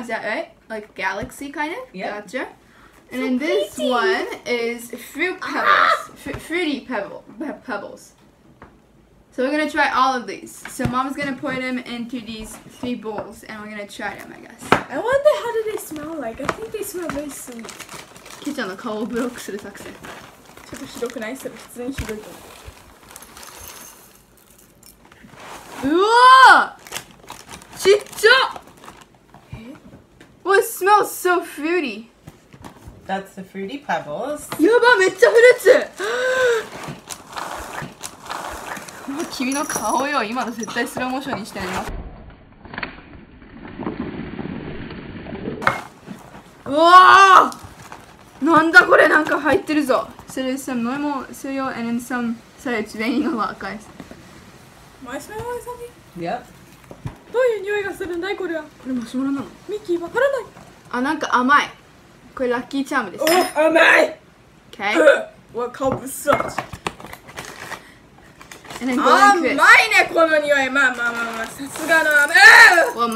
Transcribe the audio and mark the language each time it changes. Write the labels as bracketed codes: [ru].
[en] Is that right? Like galaxy kind of. Yeah. Gotcha. And then this one is Fruit Pebbles. Fruity Pebbles. So we're gonna try all of these. So mom's gonna pour them into these three bowls, and we're gonna try them, I guess. I wonder how do they smell like. I think they smell very sweet. [ja] キちゃんの顔をブロックする作戦。ちょっと白くない？それ普通に白いと思う。うわぁ！ちっちゃ！え？ [en] Oh, it smells so fruity. That's the fruity pebbles. [ja] やば、めっちゃフルーツ！もう君の顔よ、今の絶対スローモーションにしてやります。うわぁ！なんだこれなんか入ってるぞ。 [en] So there's some normal cereal and then some. Sorry, it's raining a lot, guys. [ja] マシュマロさんに。 [en] Yep. [ja] どういう匂いがするんだいこれは。これマシュマロなの。ミッキーわからない。あ、なんか甘い。これラッキーチャームです。お、甘い。 [en] Okay. [ja] わ、顔ぶっさつ。 [en] And then Golden Crisp. [ja] 甘いねこの匂い。まあまあまあまあ。さすがの甘い。